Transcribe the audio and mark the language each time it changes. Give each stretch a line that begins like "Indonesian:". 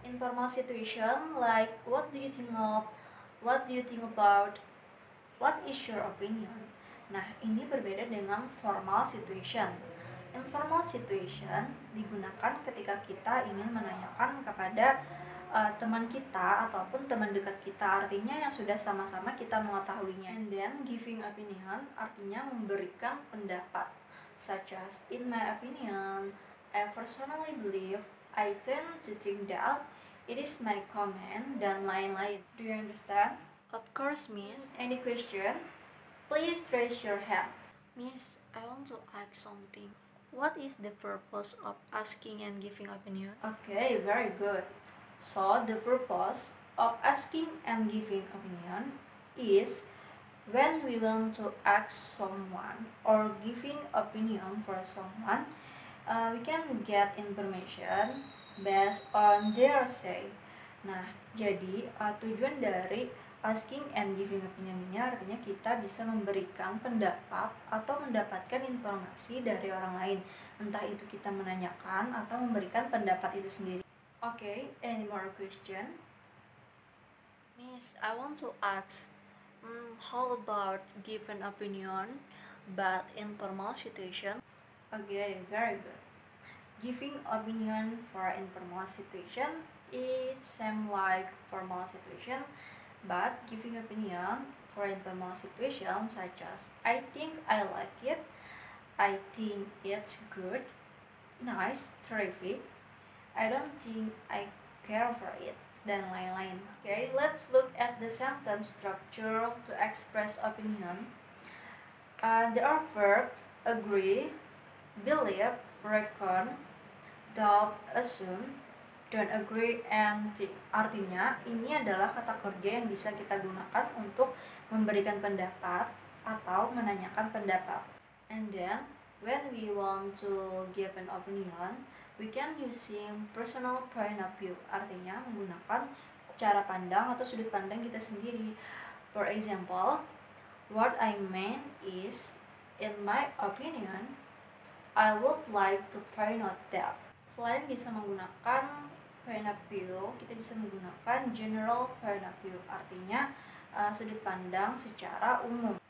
English: Informal situation like what do you think of, what do you think about, what is your opinion.
Indonesian: Nah, ini berbeda dengan formal situation. Informal situation digunakan ketika kita ingin menanyakan kepada teman kita ataupun teman dekat kita, artinya yang sudah sama-sama kita mengetahuinya.
English: And then giving opinion
Indonesian: artinya memberikan pendapat,
English: such as in my opinion, I personally believe, I tend to think that, it is my comment,
Indonesian: dan lain-lain.
English: Do you understand? Of course, miss. Any question? Please raise your hand. Miss, I want to ask something. What is the purpose of asking and giving opinion? Okay, very good. So, the purpose of asking and giving opinion is when we want to ask someone or giving opinion for someone, we can get information based on their say.
Indonesian: Nah, jadi tujuan dari asking and giving opinion ini artinya kita bisa memberikan pendapat atau mendapatkan informasi dari orang lain. Entah itu kita menanyakan atau memberikan pendapat itu sendiri.
English: Okay, any more question? Miss, I want to ask, how about giving opinion but informal situation? Okay, very good. Giving opinion for informal situation is same like formal situation, but giving opinion for informal situation such as I think I like it, I think it's good, nice, terrific, I don't think I care for it,
Indonesian: dan lain-lain.
English: Okay, let's look at the sentence structure to express opinion. There are verb agree, believe, reckon, doubt, assume, don't agree, and think.
Indonesian: Artinya, ini adalah kata kerja yang bisa kita gunakan untuk memberikan pendapat atau menanyakan pendapat.
English: And then, when we want to give an opinion, we can using personal point of view,
Indonesian: artinya menggunakan cara pandang atau sudut pandang kita sendiri.
English: For example, what I mean is, in my opinion, I would like to point out that.
Indonesian: Selain bisa menggunakan point of view, kita bisa menggunakan general point of view, artinya sudut pandang secara umum.